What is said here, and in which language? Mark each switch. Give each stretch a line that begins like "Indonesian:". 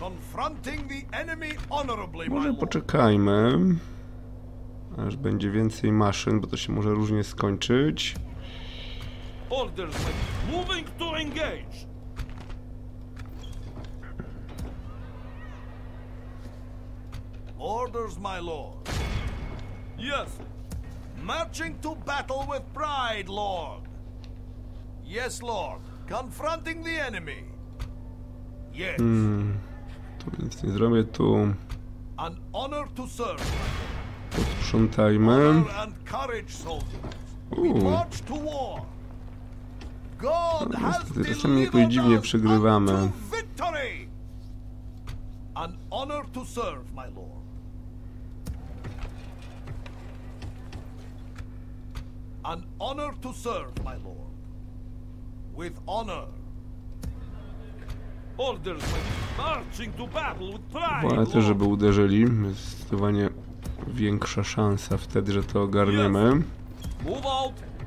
English: Confronting the enemy honorably, my lord.
Polish: Może poczekajmy, aż będzie więcej maszyn, bo to się może różnie skończyć.
English: Orders, my lord. Moving to engage. Orders, my lord. Yes. Marching to battle with pride, lord. Yes, lord. Confronting the enemy. Yes.
Polish: To nic nie zrobię tu.
English: An honor to serve.
Polish: Posprzątajmy.
English: Honor and courage, soldiers. We march to war. God has delivered us to victory. An honor to serve, my lord. An honor to serve, my lord. With honor. Orders marching to battle with pride.
Polish: Wolę też, żeby uderzyli. Jest zdecydowanie większa szansa wtedy, że to ogarniemy.
English: Move out.